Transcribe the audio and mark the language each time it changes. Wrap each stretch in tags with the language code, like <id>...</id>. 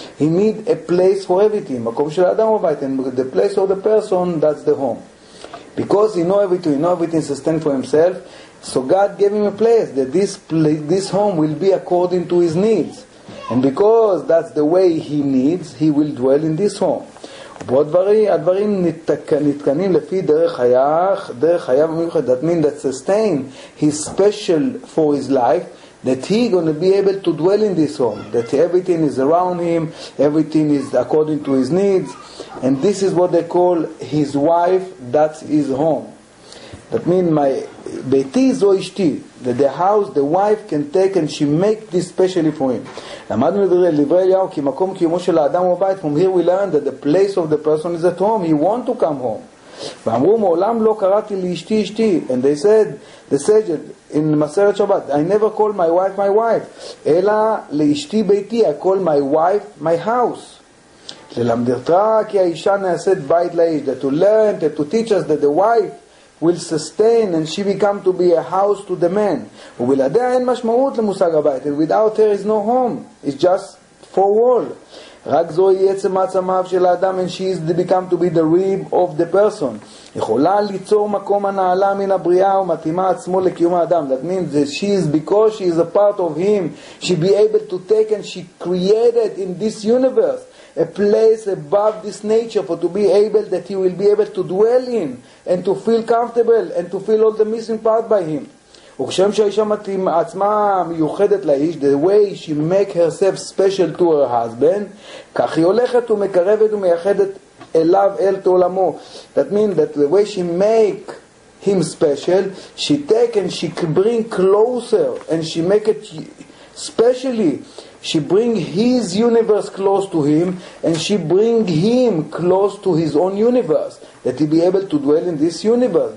<en>He need a place for everything.</en> <he>מקום של האדם הבית,</he> <en>and the place of the person, that's the home. Because he knows everything sustained for himself, so God gave him a place that this home will be according to his needs. And because that's the way he needs, he will dwell in this home.</en> <he>בו הדברים נתקנים לפי דרך חייו המיוחד.</he> <en>That means that sustain his special for his life, that he going to be able to dwell in this home, that everything is around him, everything is according to his needs. And this is what they call his wife, that's his home. That means my</en> <he>ביתי זו אשתי,</he> <en>the house, the wife can take and she make this specially for him.</en> <he>למדנו לדברי אליהו כי מקום קיומו של האדם הוא בית.</he> <en>From here we learn that the place of the person is at home, he want to come home.</en> <he>ואמרו מעולם לא קראתי לאשתי אשתי,</he> <en>and they said, the sages in מסרת שבת, I never call my wife my wife,</en> <he>אלא לאשתי ביתי,</he> <en>I call my wife my house.</en> <he>ללמדתה כי האישה נעשית בית לאיש,</he> <en>that to learn, that to teach us that the wife will sustain and she become to be a house to the man.</en> <he>ובלעדיה אין משמעות למושג הבית,</he> <en>and without her is no home, it's just four walls.</en> <he>רק זו היא עצם עצמיו</he> <en>של האדם, and she is become to be the rib of the person.</en> <he>יכולה ליצור מקום הנעלה מן הבריאה ומתאימה עצמו לקיום האדם.</he> <en>That means that she is, because she is a part of him, she be able to take and she created in this universe a place above this nature for to be able that he will be able to dwell in and to feel comfortable and to feel all the missing part by him.</en> <he>וכשם שהאישה מתאימה עצמה מיוחדת לאיש,</he> <en>the way she make herself special to her husband,</en> <he>כך היא הולכת ומקרבת ומייחדת אליו אל תעולמו.</he> <en>That means that the way she make him special, she take and she bring closer and she make it specially. She bring his universe close to him and she bring him close to his own universe that he be able to dwell in this universe.</en>